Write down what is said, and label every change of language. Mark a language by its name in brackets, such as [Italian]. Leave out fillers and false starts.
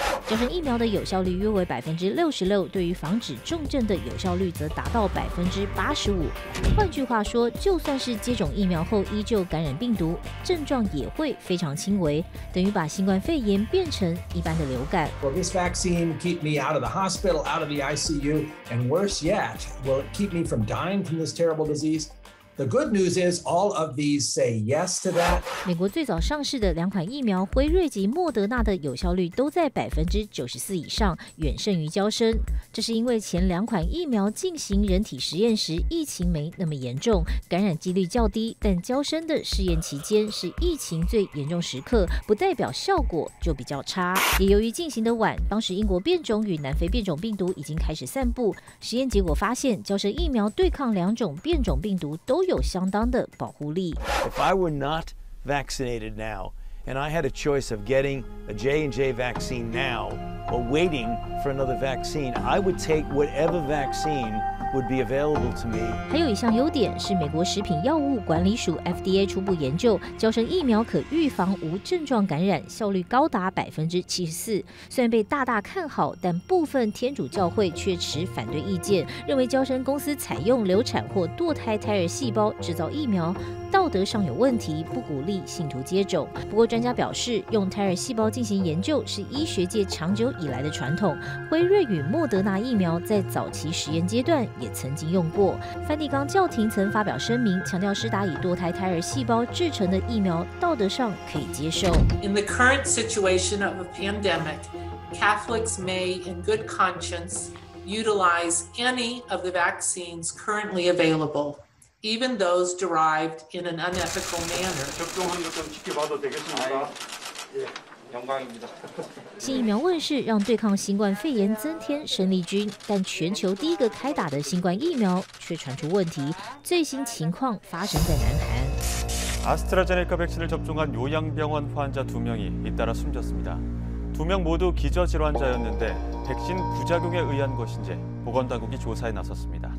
[Chinese] 交生疫苗的有效率约为66%，对于防止重症的有效率则达到85%。换句话说，就算是接种疫苗后依旧感染病毒，症状也会非常轻微，等于把新冠肺炎变成一般的流感。 [English] Will this vaccine keep me out of the hospital, out of the ICU, and worse yet, will it keep me from dying from this terrible disease? The good news is all of these say yes to that. [Chinese] 美国最早上市的两款疫苗辉瑞及莫德纳的有效率都在94%以上，远胜于娇生。这是因为前两款疫苗进行人体实验时疫情没那么严重，感染几率较低，但娇生的试验期间是疫情最严重时刻，不代表效果就比较差。也由于进行的晚，当时英国变种与南非变种病毒已经开始散布，实验结果发现娇生疫苗对抗两种变种病毒都有相当的保护力。 [English] If I were not vaccinated now, and I had a choice of getting a J&J vaccine now or waiting for another vaccine, I would take whatever vaccine would be available to me. [Chinese] 还有一项优点是美国食品药物管理署 FDA 初步研究，娇生疫苗可预防无症状感染，效率高达74%。虽然被大大看好，但部分天主教会却持反对意见，认为娇生公司采用流产或堕胎胎儿细胞制造疫苗，道德上有问题，不鼓励信徒接种。不过专家表示，用胎儿细胞进行研究是医学界长久以来的传统，辉瑞与莫德纳疫苗在早期实验阶段也曾经用过。梵蒂冈教廷曾发表声明，强调施打以堕胎胎儿细胞制成的疫苗道德上可以接受。 [English] In the current situation of a pandemic, Catholics may in good conscience utilize any of the vaccines currently availableeven those derived in an unethical manner. [Chinese] 新疫苗问世，让对抗新冠肺炎增添生力军，但全球第一个开打的新冠疫苗却传出问题。最新情况发生在南韩。 [Korean] 阿斯特拉제네카백신을접종한요양병원환자두명이잇따라숨졌습니다두명모두기저질환자였는데백신부작용에의한것인지보건당국이조사에나섰습니다